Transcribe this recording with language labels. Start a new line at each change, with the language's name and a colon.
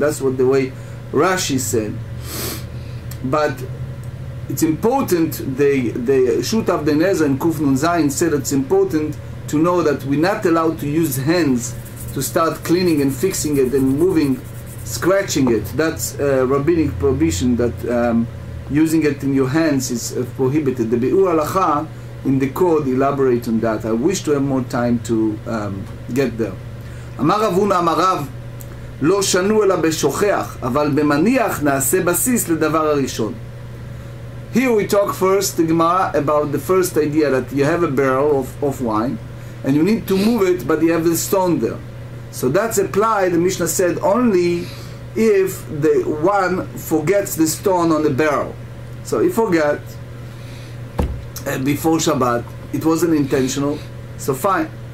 English: That's what the way Rashi said. But it's important, the Shut Avdeneza and Kuf Nun Zayin said it's important to know that we're not allowed to use hands to start cleaning and fixing it and moving, scratching it. That's a rabbinic prohibition that using it in your hands is prohibited. The Bi'ur Halakha in the code elaborate on that. I wish to have more time to get there.
Hebrew: Amar Rav Huna, Amar Rav, לא שנו אלא בשוכח, אבל במניח נעשה בסיס לדבר הראשון.
English: Here we talk first, the Gemara, about the first idea that you have a barrel of wine and you need to move it, but you have the stone there. So that's applied, the Mishnah said, only if the one forgets the stone on the barrel. So he forgot before Shabbat, it wasn't intentional, so fine.